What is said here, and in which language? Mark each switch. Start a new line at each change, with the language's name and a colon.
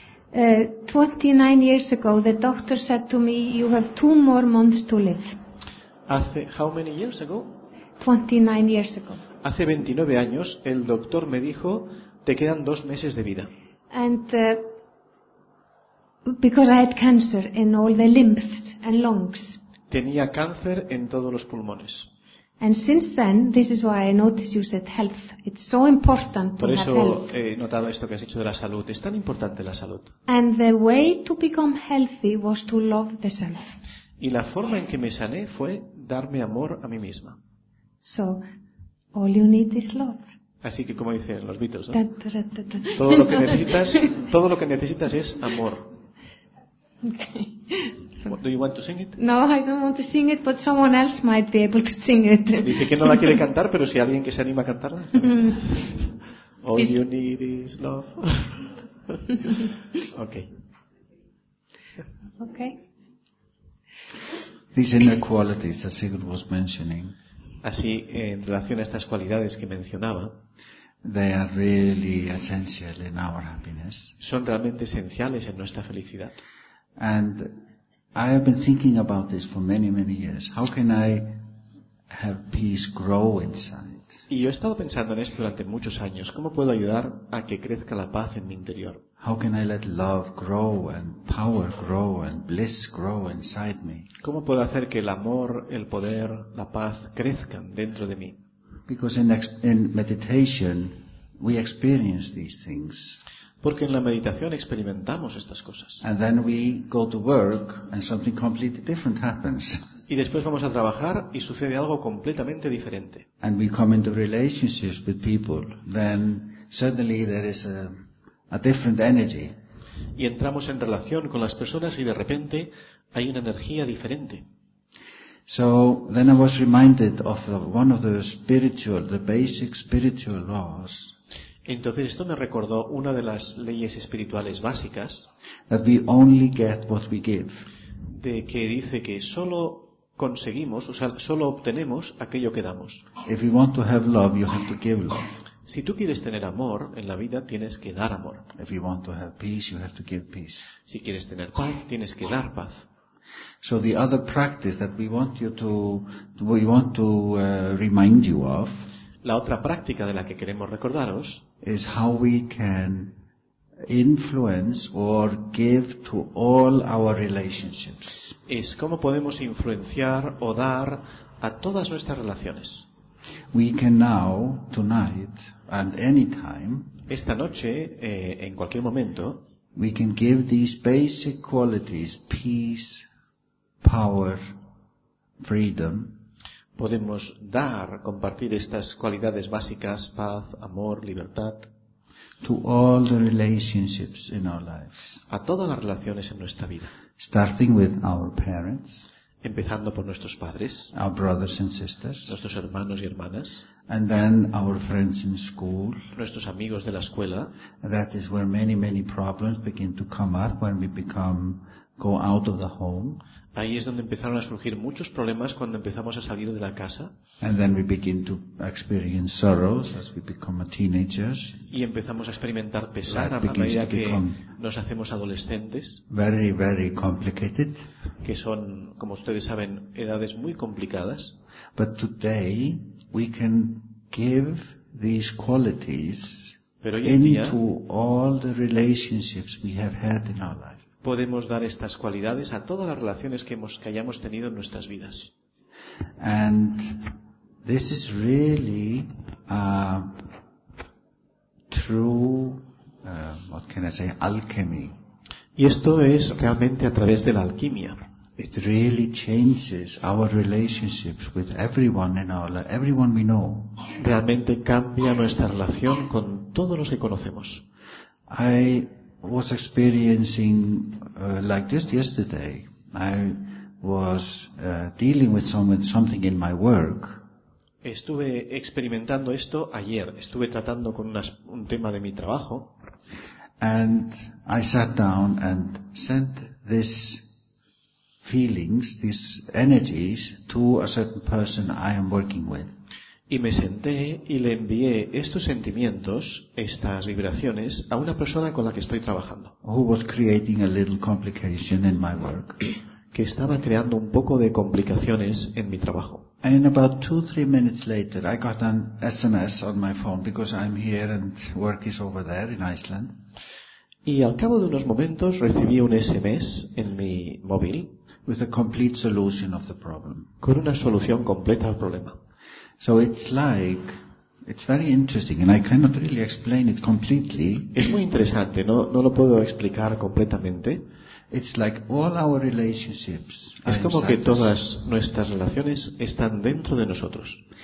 English: 29 years ago, the doctor said to me, "You have 2 more months to live." How many years ago? 29 years ago.
Spanish: Hace 29 años, el doctor me dijo, "Te quedan 2 meses de vida."
English: And because I had cancer in all the lymphs and lungs.
Spanish: Tenía cáncer en todos los pulmones.
English: And since then, this is why I notice you said health. It's so important to have health.
Spanish: Por eso he notado esto que has dicho de la salud. Es tan importante la salud.
English: And the way to become healthy was to love the self.
Spanish: Y la forma en que me sané fue darme amor a mí misma.
English: So, all you need is love.
Spanish: Así que como dicen los Beatles, ¿no? Todo lo que necesitas es amor.
English: Okay. Do you want to sing it? No, I don't want to sing it, but someone else might be able to sing it.
Spanish: Dice que no la quiere cantar, pero si hay alguien que se anima a cantarla.
English: All you need is love. Okay. Okay. These inner qualities that Sigurd was mentioning.
Spanish: Así, en relación a estas cualidades que mencionaba,
English: they are really essential in our happiness.
Spanish: Son realmente esenciales en nuestra felicidad.
English: And I have been thinking about this for many, many years. How can I have peace grow inside?
Spanish: Y yo he estado pensando en esto durante muchos años. ¿Cómo puedo ayudar a que crezca la paz en mi interior?
English: How can I let love grow and power grow and bliss grow inside me?
Spanish: ¿Cómo puedo hacer que el amor, el poder, la paz crezcan dentro de mí?
English: Because in meditation we experience these things.
Spanish: Porque en la meditación experimentamos estas cosas.
English: And then we go to work and something completely different happens.
Spanish: Y después vamos a trabajar y sucede algo completamente diferente.
English: And we come into relationships with people, then suddenly there is a different energy.
Spanish: Y entramos en relación con las personas y de repente hay una energía diferente.
English: So then I was reminded of one of the spiritual, the basic spiritual laws.
Spanish: Entonces esto me recordó una de las leyes espirituales básicas.
English: That we only get what we give.
Spanish: De que dice que solo conseguimos, o sea, solo obtenemos aquello que damos.
English: If you want to have love, you have to give love.
Spanish: Si tú quieres tener amor en la vida, tienes que dar amor.
English: If you want to have peace, you have to give peace.
Spanish: Si quieres tener paz, tienes que dar paz.
English: So the other practice that we want to remind you of,
Spanish: la otra práctica de la que queremos recordaros,
English: is how we can influence or give to all our relationships.
Spanish: Es cómo podemos influenciar o dar a todas nuestras relaciones.
English: We can now, tonight, and any time,
Spanish: esta noche, en cualquier momento,
English: we can give these basic qualities, peace, power, freedom,
Spanish: podemos dar, compartir estas cualidades básicas, paz, amor, libertad,
English: to all the relationships in our lives,
Spanish: a todas las relaciones en nuestra vida,
English: starting with our parents,
Spanish: empezando por nuestros padres,
English: our brothers and sisters,
Spanish: nuestros hermanos y hermanas,
English: and then our friends in school,
Spanish: nuestros amigos de la escuela.
English: That is where many, many problems begin to come up when we go out of the home.
Spanish: Ahí es donde empezaron a surgir muchos problemas cuando empezamos a salir de la casa.
English: And then we begin to experience sorrows as we become teenagers.
Spanish: Y empezamos a experimentar pesar a medida que nos hacemos adolescentes.
English: Very, very complicated.
Spanish: Que son, como ustedes saben, edades muy complicadas.
English: But today we can give these qualities into all the relationships we have had in our life.
Spanish: Podemos dar estas cualidades a todas las relaciones que hayamos tenido en nuestras vidas.
English: And this is really a true, what can I say, alchemy.
Spanish: Y esto es realmente a través de la alquimia.
English: It really changes our relationships with everyone in our life, everyone we know.
Spanish: Realmente cambia nuestra relación con todos los que conocemos.
English: I was experiencing like just yesterday. I was dealing with something in my work.
Spanish: Estuve experimentando esto ayer. Estuve tratando con un tema de mi trabajo.
English: And I sat down and sent these feelings, these energies, to a certain person I am working with.
Spanish: Y me senté y le envié estos sentimientos, estas vibraciones, a una persona con la que estoy trabajando.
English: Who was creating a little complication in my work.
Spanish: Que estaba creando un poco de complicaciones en mi trabajo.
English: And in about 2-3 minutes later, I got an SMS on my phone because I'm here and work is over there in Iceland.
Spanish: Y al cabo de unos momentos recibí un SMS en mi móvil
English: with a complete solution of the problem.
Spanish: Con una solución completa al problema.
English: So it's like, it's very interesting, and I cannot really explain it completely.
Spanish: Es muy interesante, no lo puedo explicar completamente.
English: It's like all our relationships.
Spanish: Es como que todas nuestras relaciones están dentro de nosotros.